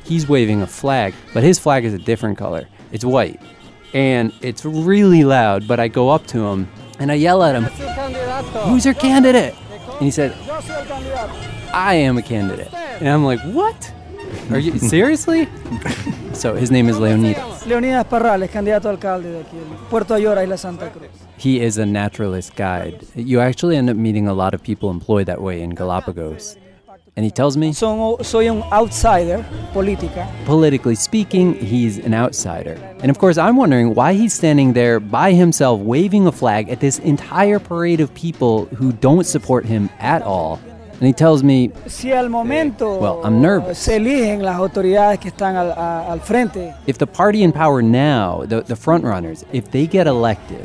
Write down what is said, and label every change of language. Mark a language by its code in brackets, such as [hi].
[en] He's waving a flag, but his flag is a different color. It's white. And it's really loud, but I go up to him, and I yell at him, who's your candidate? And he said, I am a candidate. And I'm like, what? Are you, seriously? So his name is Leonidas. [es] Leonidas Parral, candidato alcalde de aquí, Puerto Ayora y La Santa Cruz. [en] He is a naturalist guide. You actually end up meeting a lot of people employed that way in Galapagos. And he tells me, [es] soy un outsider, política. [en] Politically speaking, he's an outsider. And of course, I'm wondering why he's standing there by himself waving a flag at this entire parade of people who don't support him at all. And he tells me, [es] si al momento, [en] well, I'm nervous. [es] Se eligen las autoridades que están al frente, [en] if the party in power now, the front runners, if they get elected,